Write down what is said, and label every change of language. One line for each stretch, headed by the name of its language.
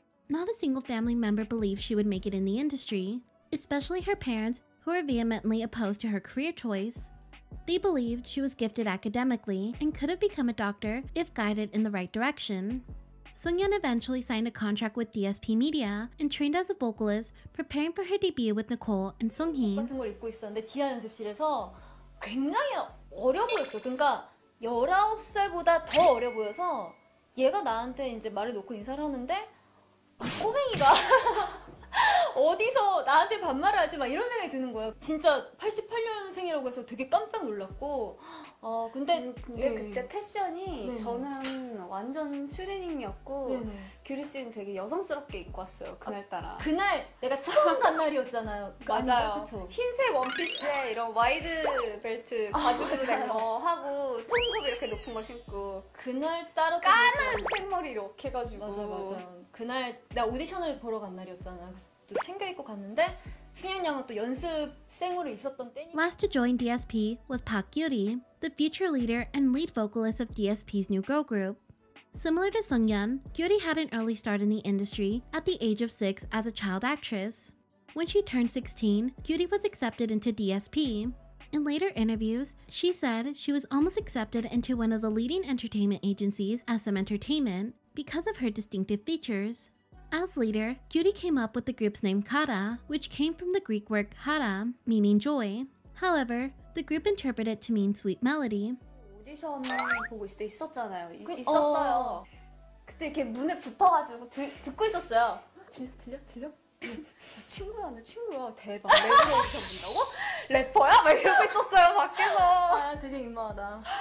English: Not a single family member believed she would make it in the industry, especially her parents, who were vehemently opposed to her career choice. They believed she was gifted academically and could have become a doctor if guided in the right direction. Sung-yeon eventually signed a contract with DSP Media and trained as a vocalist, preparing for her debut with Nicole and Sung-hee.
Korean: 같은 걸 입고 있었는데 지하 연습실에서 굉장히 어려 보였어. 그러니까 19살보다 더 어려 보여서 얘가 나한테 이제 말을 놓고 인사를 하는데 꼬맹이가 어디서 나한테 반말을 하지 막 이런 생각이 드는 거야. 진짜 88년생이라고 해서 되게 깜짝 놀랐고 근데 그때 패션이 네. 저는 완전 추리닝이었고 네. 규리 씨는 되게 여성스럽게 입고 왔어요. 그날따라 그날 내가 처음 간 날이었잖아요. 맞아요. 그쵸? 흰색 원피스에 이런 와이드 벨트 가죽으로 된 거 하고 통굽 이렇게 높은 거 신고 그날따라 까만 생머리 이렇게 해가지고 맞아 그날 나 오디션을 보러 간 날이었잖아. 옷도 챙겨 입고 갔는데 승현이 형은 또 연습생으로 있었던 때니까
English: Last to join DSP was Park Yuri, the future leader and lead vocalist of DSP's new girl group. Similar to Seungyeon, Gyuri had an early start in the industry at the age of 6 as a child actress. When she turned 16, Gyuri was accepted into DSP. In later interviews, she said she was almost accepted into one of the leading entertainment agencies, SM Entertainment, because of her distinctive features. As leader, Gyuri came up with the group's name Kara, which came from the Greek word kara, meaning joy. However, the group interpreted it to mean sweet melody.
Korean: 오디션을 보고 있을 때 있었잖아요. 있었어요. 그때 이렇게 문에 붙어가지고 듣고 있었어요. 들려? 친구야, 너 친구야. 대박. 랩으로 오디션 본다고? 래퍼야? 막 이러고 있었어요, 밖에서. 아, 되게 민망하다.